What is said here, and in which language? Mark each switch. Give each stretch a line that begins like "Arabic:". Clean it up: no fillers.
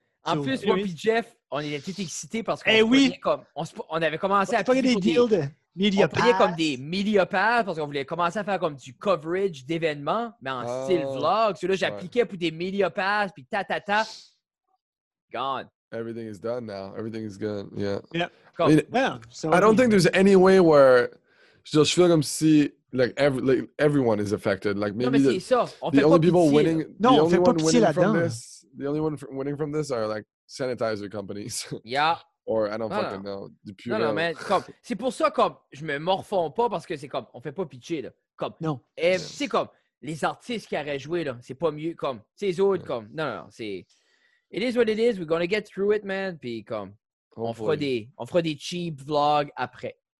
French: En plus, moi et Jeff, on était tout excités parce qu'on Prenait comme, on avait commencé à payer des deals. Media Path. On voulait comme des Media Path parce qu'on voulait commencer à faire comme du coverage d'événements, mais en style vlog. Celui-là, j'appliquais pour des Media Path, puis ta-ta-ta.
English: Gone. Everything is done now. Everything is good. Yeah. Yeah. Cool. I mean, well, so I don't think there's any way where je feel
French: comme si
English: like everyone is affected. Like maybe
French: non, mais c'est ça. On fait pas pitié.
English: Winning,
French: non, on fait pas pitié là-dedans.
English: The only one winning from this are like sanitizer companies. Yeah. Or I don't fucking know. The Purell.
French: Non, non, mais comme, c'est pour ça comme je me morfond pas parce que c'est comme on fait pas pitié là. Comme non. Et c'est comme les artistes qui auraient joué là, c'est pas mieux comme ces autres comme non, c'est
English: it is what it is. We're gonna get through it, man.
French: Puis comme on fera des cheap vlogs après.